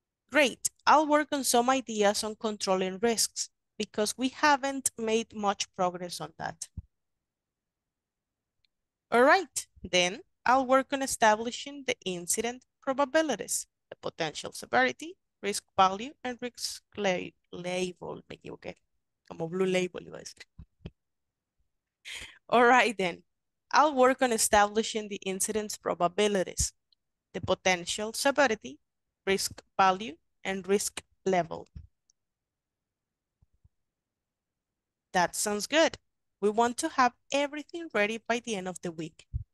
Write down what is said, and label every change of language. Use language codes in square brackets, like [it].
[en] Great, I'll work on some ideas on controlling risks because we haven't made much progress on that. All right, then I'll work on establishing the incident probabilities, the potential severity, risk value, and risk label. [es] Me equivoqué, como [en] blue label, [es] iba a decir. [en] All right, then. I'll work on establishing the incident's probabilities, the potential severity, risk value, and risk level. That sounds good. We want to have everything ready by the end of the week.